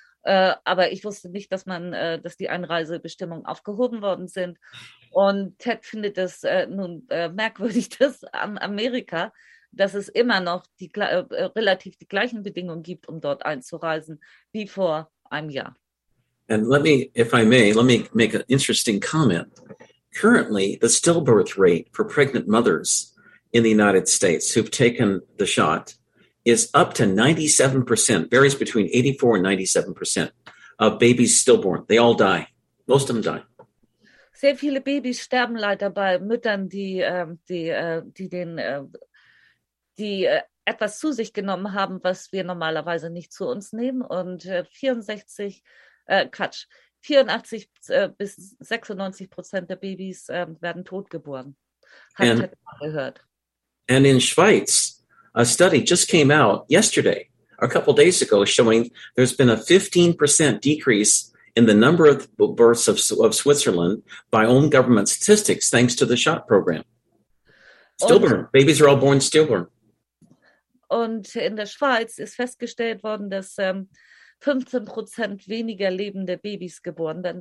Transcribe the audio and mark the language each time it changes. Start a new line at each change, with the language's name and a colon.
German: Aber ich wusste nicht, dass man, dass die Einreisebestimmungen aufgehoben worden sind. Und Ted findet das merkwürdig, dass in Amerika, dass es immer noch relativ die gleichen Bedingungen gibt, um dort einzureisen, wie vor einem Jahr.
English: And let me make an interesting comment. Currently, the stillbirth rate for pregnant mothers in the United States who've taken the shot is up to 97%, varies between 84 and 97% of babies stillborn. They all die. Most of them die.
German: Sehr viele Babys sterben leider bei Müttern, die etwas zu sich genommen haben, was wir normalerweise nicht zu uns nehmen. Und 84 bis 96% der Babys werden totgeboren, hat man gehört.
English: And in Schweiz, a study just came out yesterday, a couple days ago, showing there's been a 15% decrease in the number of births of Switzerland by own government statistics, thanks to the shot program. Stillborn, und, babies are all born stillborn.
German: Und in der Schweiz ist festgestellt worden, dass 15% weniger lebende Babys geboren werden.